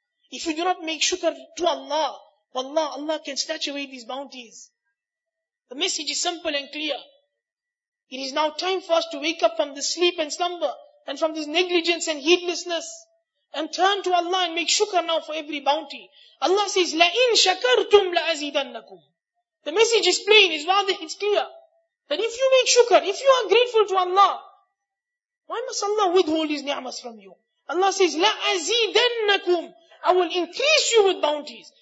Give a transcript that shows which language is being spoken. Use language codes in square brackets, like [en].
[en] If you do not make shukr to Allah, wallah, Allah can snatch away these bounties. The message is simple and clear. It is now time for us to wake up from the sleep and slumber and from this negligence and heedlessness, and turn to Allah and make shukr now for every bounty. Allah says, [ar] لَإِن شَكَرْتُمْ لَأَزِيدَنَّكُمْ. [en] The message is plain, it's clear. That if you make shukr, if you are grateful to Allah, why must Allah withhold His ni'mas from you? Allah says, [ar] لَأَزِيدَنَّكُمْ. [en] I will increase you with bounties.